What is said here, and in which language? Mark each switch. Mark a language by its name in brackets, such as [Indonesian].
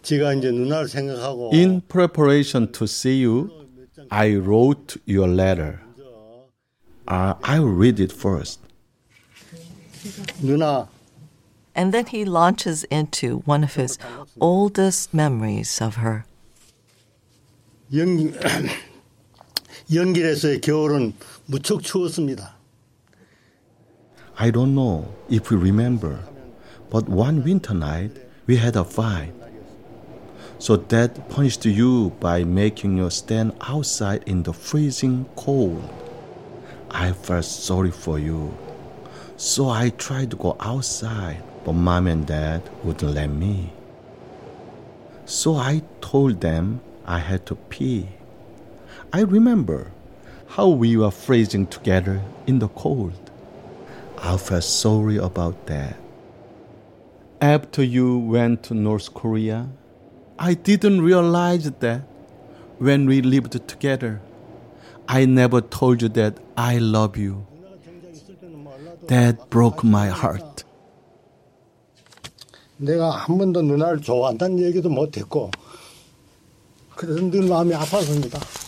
[English] In preparation to see you, I wrote your letter. I will read it first. [Korean] Nuna. [English] And then he launches into one of his oldest memories of her. [Korean] 연길에서의 겨울은 무척 추웠습니다. [English] I don't know if we remember, but one winter night we had a fight. So Dad punished you by making you stand outside in the freezing cold. I felt sorry for you. So I tried to go outside, but Mom and Dad wouldn't let me. So I told them I had to pee. I remember how we were freezing together in the cold. I felt sorry about that. After you went to North Korea, I didn't realize that when we lived together, I never told you that I love you. That broke my heart. [Korean] 내가 한 번도 누나를 좋아한다는 얘기도 못했고, 그래서 늘 마음이 아팠습니다.